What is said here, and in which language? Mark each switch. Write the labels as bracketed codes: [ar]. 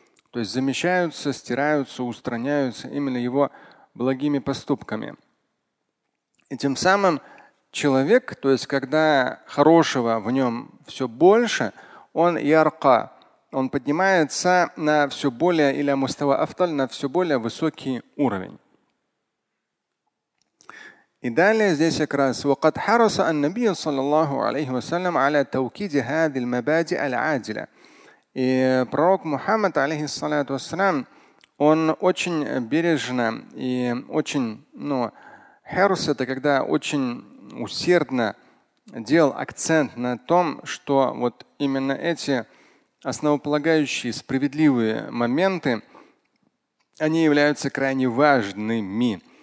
[ru] То есть замещаются, стираются, устраняются именно его благими поступками. И тем самым человек, то есть когда хорошего в нем все больше, он ярка, он поднимается на все более или мустава афталь, на все более высокий уровень. И далее здесь как раз [ar] وَقَدْ حَرَصَ النَّبِيُّ صَلَّى اللَّهُ عَلَيْهِ وَسَلَّمَ عَلَى تَوْكِيدِ هَذِي الْمَبَادِئِ الْعَادِلَ. [ru] И пророк Мухаммад, алейхиссалату вассалям, он очень бережно и очень, ну, херус – это когда очень усердно делал акцент на том, что вот именно эти основополагающие справедливые моменты, они являются крайне важными.